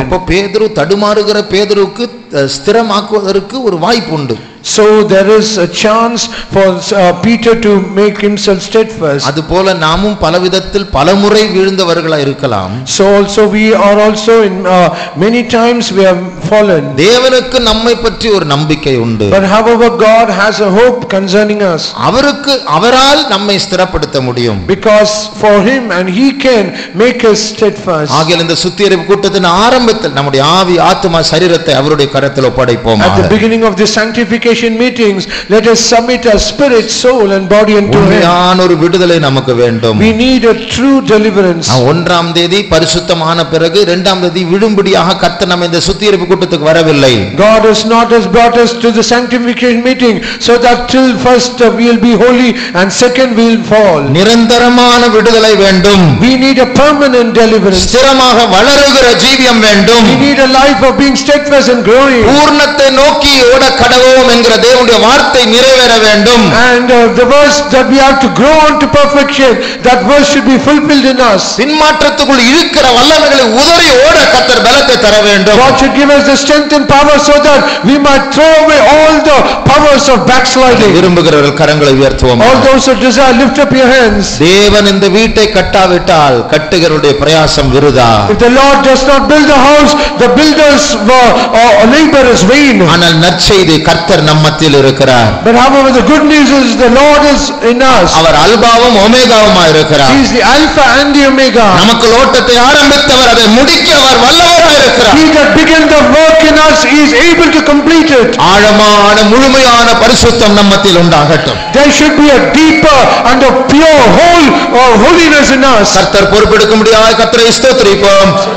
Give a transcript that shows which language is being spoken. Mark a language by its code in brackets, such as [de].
[ta] அப்ப பேதுரு தடுமாறுகிற பேதுருக்கு ஸ்திரமாக்குவதற்கு ஒரு வாய்ப்பு உண்டு. [en] So there is a chance for Peter to make himself steadfast. [ta] அது போல நாமும் பலவிதத்தில் பலமுறை வீழ்ந்தவர்களாக இருக்கலாம். [en] So also we are also in many times we have fallen. [ta] தேவனுக்கு நம்மை பற்றி ஒரு நம்பிக்கை உண்டு. [en] But however God has a hope concerning us. [ta] அவருக்கு அவரால் நம்மை ஸ்திரப்படுத்த முடியும். [en] Because for him and he can make us steadfast. [ta] ஆகையால் இந்த சுத்திகரிப்பு கூட்டத்தின் ஆரம்பத்தில் நம்முடைய ஆவி ஆத்மா சரீரத்தை அவருடைய கரத்தில் ஒப்படைப்போம். [en] At the beginning of this sanctification meetings let us submit our spirit, soul and body unto him. [ta] உண்மையான ஒரு விடுதலை நமக்கு வேண்டும். [en] We need a true deliverance. [ta] 1st பரிசுத்தமான பிறகு 2nd விடும்படியாக கர்த்தர் நம்மை இந்த சுத்திகரிப்பு கூட்டத்துக்கு வரவில்லை. [en] God has not has brought us to the sanctification meeting so that till first we'll be holy and second we'll fall. [ta] நிரந்தரமான விடுதலை வேண்டும். [en] We need a permanent deliverance. [ta] ஸ்திரமாக வளருகிற ஜீவியம் வேண்டும். [en] We need a life of being steadfast and growing. [ta] பூர்ணத்தை நோக்கி ஓட கடவோம் என்கிற தேவனுடைய வார்த்தை நிறைவேற வேண்டும். [en] And the verse that we have to grow unto perfection, that verse should be fulfilled in us. [ta] பின்மாற்றத்துக்குள் இருக்கிற வல்லமைகளை உதறி ஓட கர்த்தர் பலத்தை தர வேண்டும். [en] God should give us the strength and power so that we might throw away all the powers of backsliding. [ta] விரும்புகிறவர்கள் கரங்களை உயர்த்துவோம். [en] All those who desire, lift up your hands. [ta] தேவன் இந்த வீட்டை கட்டாவிட்டால் கட்டுகிறவருடைய பிரயாசம் விருதா. [en] If the Lord does not build the house, the builders labor is vain. [ta] ஆனால் நற்செய்தி கர்த்தர் நம்மத்தில் இருக்கிறார். [en] But however, the good news is the Lord is in us. [ta] அவர் அல்பாவும் ஒமேகாவுமாய் இருக்கிறார். [en] He is the Alpha and the Omega. [ta] நமக்கு ஓட்டத்தை ஆரம்பித்தவர், அதை முடிக்கவர் வல்லவராய் இருக்கிறார். [en] He that began the work in us is able to complete it. [ta] ஆழமான முழுமையான பரிசுத்தம் நம்மத்தில் உண்டாகட்டும். [en] There should be a deeper and a pure whole holiness in us. [ta] கர்த்தர் பொறுப்பெடுக்க முடியாத கர்த்தரை ஸ்தோத்திரிப்போம்.